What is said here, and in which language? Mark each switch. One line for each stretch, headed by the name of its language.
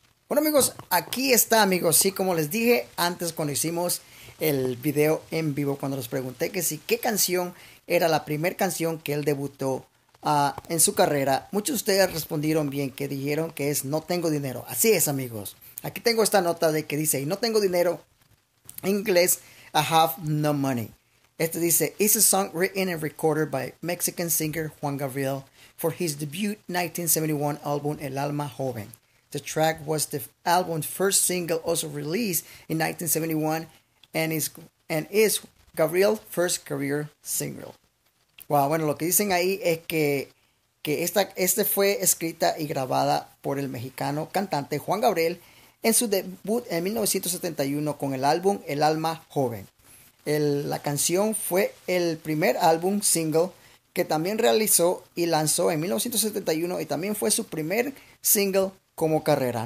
Spanish: Bueno, amigos, aquí está, amigos. Sí, como les dije antes cuando hicimos el video en vivo, cuando les pregunté que si qué canción era la primera canción que él debutó en su carrera, muchos de ustedes respondieron bien, que dijeron que es No Tengo Dinero. Así es, amigos. Aquí tengo esta nota de que dice: No Tengo Dinero, en inglés,
English: I Have No Money.
Spanish: Este dice:
English: It's a song written and recorded by Mexican singer Juan Gabriel for his debut 1971 album El Alma Joven. The track was the album's first single also released in 1971 and is Gabriel's first career single.
Spanish: Wow, bueno, lo que dicen ahí es que este fue escrita y grabada por el mexicano cantante Juan Gabriel en su debut en 1971 con el álbum El Alma Joven. La canción fue el primer álbum single que también realizó y lanzó en 1971 y también fue su primer single como carrera.